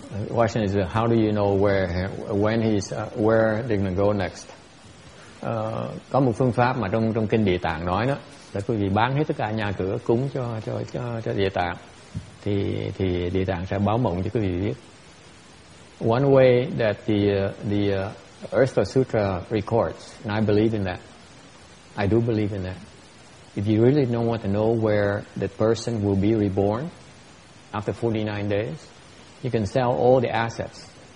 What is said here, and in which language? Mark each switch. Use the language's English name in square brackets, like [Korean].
[English] Question is how do you know where they're gonna go next? [Vietnamese] Có một phương pháp mà trong kinh Địa Tạng nói đó, là quý vị bán hết tất cả nhà cửa cúng cho Địa Tạng, thì Địa Tạng sẽ báo mộng cho quý vị biết. [English] One way that the Earth Sutra records, and I believe in that. I do believe in that. If you really don't want to know where the person will be reborn after 49 days, you can sell all the assets.